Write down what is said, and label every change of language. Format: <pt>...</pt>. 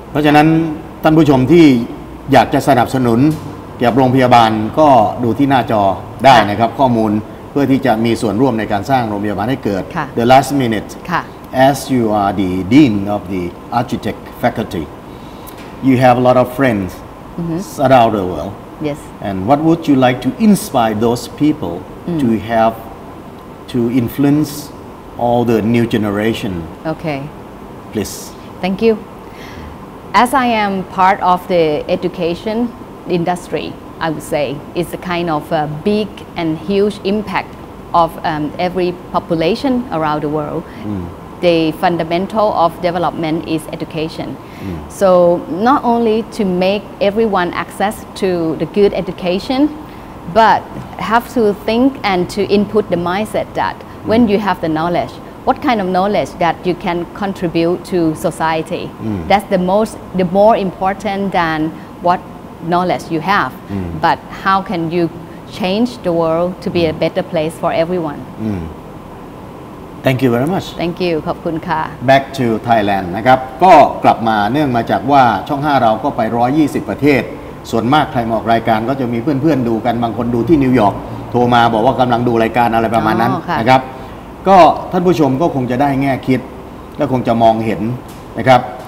<th>เพราะฉะนั้นท่านผู้ชมที่อยากจะสนับสนุนเกี่ยวกับโรงพยาบาลก็ดูที่หน้าจอได้นะครับข้อมูลเพื่อที่จะมีส่วนร่วมในการสร้างโรงพยาบาลให้เกิด</th> <en>The Last Minute As you are the Dean of the Architect Faculty You have a lot of friends around the world Yes And what would you like to inspire those people to have to influence all the new generation Okay Please Thank youAs I am part of the education industry, I would say it's a kind of a big and huge impact of every population around the world. The fundamental of development is education. So not only to make everyone access to the good education, but have to think and to input the mindset that when you have the knowledge,What kind of knowledge that you can contribute to society? That's the more important than what knowledge you have. But how can you change the world to be a better place for everyone? Thank you very much. Thank you.</en> <th>ขอบคุณค่ะ</th> <en>Back to Thailand</en> <th>นะครับก็กลับมาเนื่องมาจากว่าช่อง5เราก็ไป120ประเทศส่วนมากใครออกรายการก็จะมีเพื่อนๆดูกันบางคนดูที่นิวยอร์กโทรมาบอกว่ากำลังดูรายการอะไรประมาณนั้นนะครับก็ท่านผู้ชมก็คงจะได้แง่คิดและคงจะมองเห็นนะครับ</th>